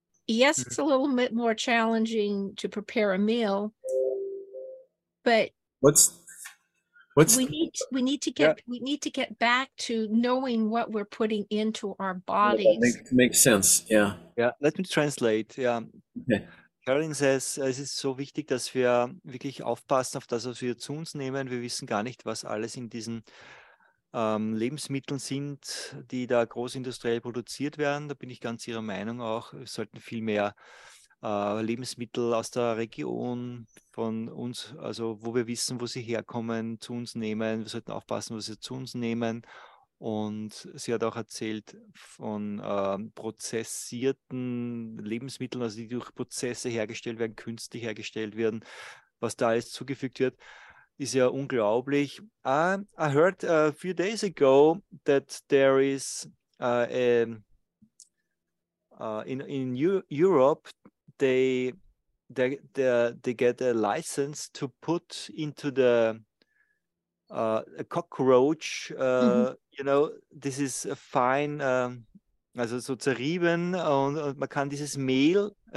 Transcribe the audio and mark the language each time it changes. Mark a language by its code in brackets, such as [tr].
[en] Yes, it's a little bit more challenging to prepare a meal, but we need to get back to knowing what we're putting into our bodies. Yeah, makes sense. Yeah. Yeah. Let me translate. Yeah. Okay. Caroline says, [de] es ist so wichtig, dass wir wirklich aufpassen auf das, was wir zu uns nehmen. Wir wissen gar nicht, was alles in diesen Lebensmitteln sind, die da großindustriell produziert werden. Da bin ich ganz Ihrer Meinung auch. Wir sollten viel mehr Lebensmittel aus der Region von uns, also wo wir wissen, wo sie herkommen, zu uns nehmen. Wir sollten aufpassen, was wir zu uns nehmen. Und sie hat auch erzählt von prozessierten Lebensmitteln, also die durch Prozesse hergestellt werden, künstlich hergestellt werden, was da alles zugefügt wird, ist ja unglaublich. [en] I heard a few days ago that there is in Europe they get a license to put into the a cockroach, you know, this is a fine, [de] also so zerrieben, und man kann dieses Mehl,